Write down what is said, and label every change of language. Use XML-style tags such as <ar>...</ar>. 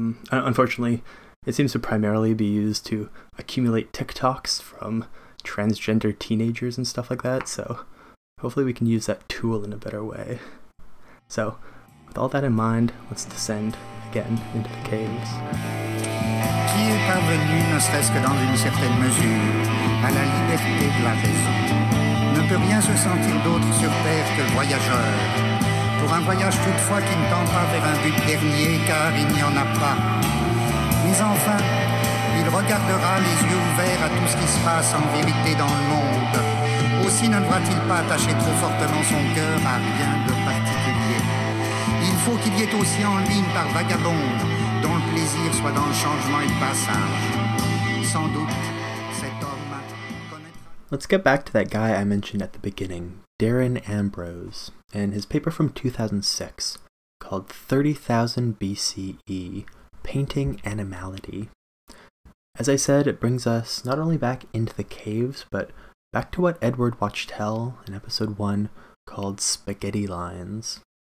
<en>Unfortunately, it seems to primarily be used to accumulate TikToks from transgender teenagers and stuff like that, so hopefully we can use that tool in a better way. So, with all that in mind, let's descend again into the caves.</en> <fr>Qui est parvenu, ne serait-ce que dans une certaine mesure, à la liberté de la raison, ne peut rien se sentir d'autre sur terre que le voyageur. Pour un voyage toutefois qui ne tend pas vers un but dernier, car il n'y en a pas. Mais enfin, il regardera les yeux ouverts à tout ce qui se passe en vérité dans le monde. Aussi ne devra-t-il pas attacher trop fortement son cœur à rien de particulier. Il faut qu'il y ait aussi en lui une part vagabonde, dont le plaisir soit dans le changement et le passage. Sans doute, cet homme connaîtra...</fr> <en>Let's get back to that guy I mentioned at the beginning, Darren Ambrose, and his paper from 2006 called 30,000 BCE, Painting Animality. As I said, it brings us not only back into the caves, but back to what Edward watched tell in episode 1 called Spaghetti Lions.</en>